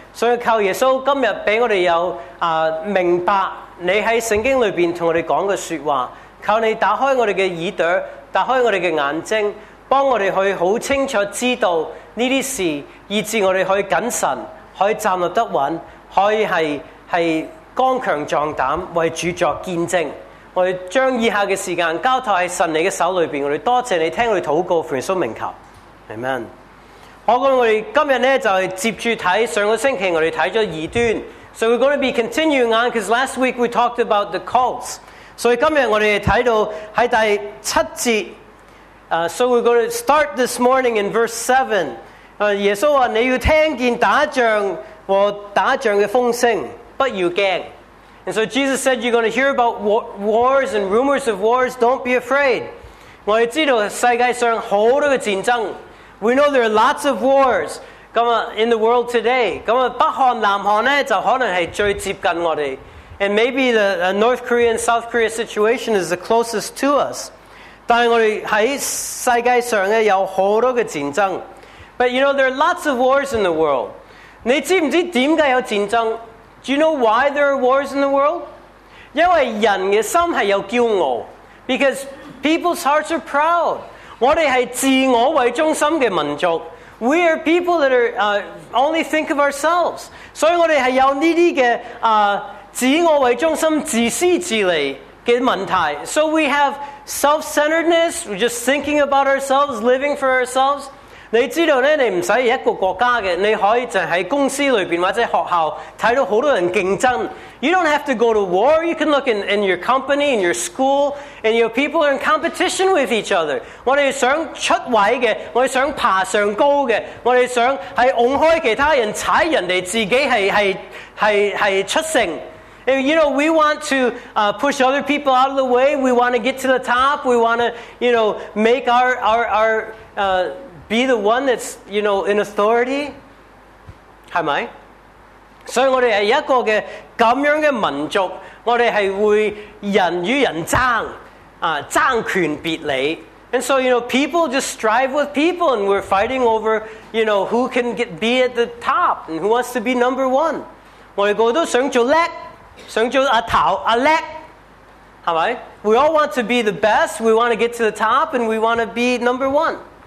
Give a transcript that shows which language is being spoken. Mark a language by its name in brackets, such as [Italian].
[Chinese] 所以靠耶稣今天给我们有明白你在圣经里面跟我们讲的说话，靠你打开我们的耳朵，打开我们的眼睛，帮我们去很清楚知道这些事，以致我们可以谨慎，可以站立得稳，可以 是刚强壮胆为主作见证。我们将以下的时间交托在神你的手里面，我们多谢你听我们祷告，奉耶稣名求， Amen。我们今天就接着看上个星期我们看了异端。 [English] So we're going to be continuing on, because last week we talked about the cults. [Chinese] So 今天我们看到在第七节。 [English] So we're going to start this morning in verse 7. [Chinese] 耶稣说你要听见打仗和打仗的风声，不要惊。 [English] And so Jesus said, you're going to hear about wars and rumors of wars. Don't be afraid. [Chinese] 我们知道世界上很多的战争。 [English] We know there are lots of wars. In the world today, [Chinese] 北韓、南韓呢就可能是最接近我們。 [English] And maybe the North Korea and South Korea situation is the closest to us. [Chinese] 但是我們在世界上呢有很多的戰爭。 [English] But you know, there are lots of wars in the world. [Chinese] 你知不知道為什麼有戰爭？ [English] Do you know why there are wars in the world? [Chinese] 因為人的心是有驕傲。 [English] Because people's hearts are proud. [Chinese] 我們是自我為中心的民族。 [English] We are people that are only think of ourselves. [Chinese] 所以我们是有这些的自我为中心、自私自利的问题。 [English] So we have self-centeredness, we're just thinking about ourselves, living for ourselves. [Chinese] 你知道呢，你不用一个国家的，你可以就在公司里面或者学校看到很多人竞争。 [English] You don't have to go to war, you can look in your company, in your school, and your people are in competition with each other. [Chinese] 我们想出位的，我们想爬上高的，我们想是拱开其他人，踩人家，自己 是出胜。 [English] And, you know, we want to push other people out of the way, we want to get to the top, we want to, you know, make our be the one that's, you know, in authority. [Chinese] 是吗？所以我们是一个的这样的民族，我们是会人与人争争权别理。 [English] And so, you know, people just strive with people, and we're fighting over, you know, who can be at the top and who wants to be number one. [Chinese] 我们都想做叻，想做阿头阿叻，是吧？ [English] We all want to be the best, we want to get to the top, and we want to be number one.